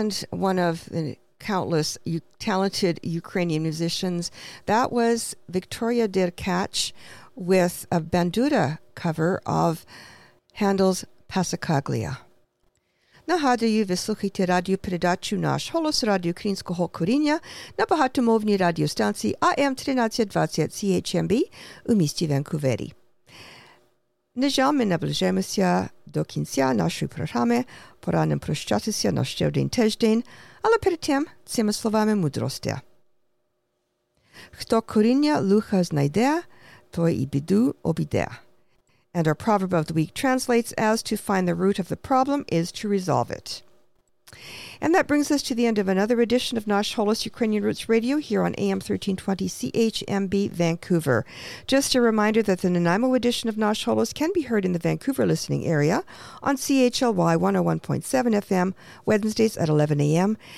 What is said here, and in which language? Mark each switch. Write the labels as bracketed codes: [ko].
[en] One of the countless talented Ukrainian musicians. That was Victoria Derkach with a Banduda cover of Handel's Passacaglia. [uk] Нагадую, ви слухаєте радіопередачу «Наш голос» Радіо Українського коріння на багатомовній радіостанції АМ 1320 CHMB у місті Ванкувері. На жаль, ми наближаємося до кінця нашої програми. Пора нам прощатися на ще один тиждень, але перед тим цими словами мудрості. Хто коріння луха знайде, той і біду обіде. [en] And our proverb of the week translates as to find the root of the problem is to resolve it. And that brings us to the end of another edition of Nash Holos Ukrainian Roots Radio here on AM 1320 CHMB Vancouver. Just a reminder that the Nanaimo edition of Nash Holos can be heard in the Vancouver listening area on CHLY 101.7 FM, Wednesdays at 11 a.m.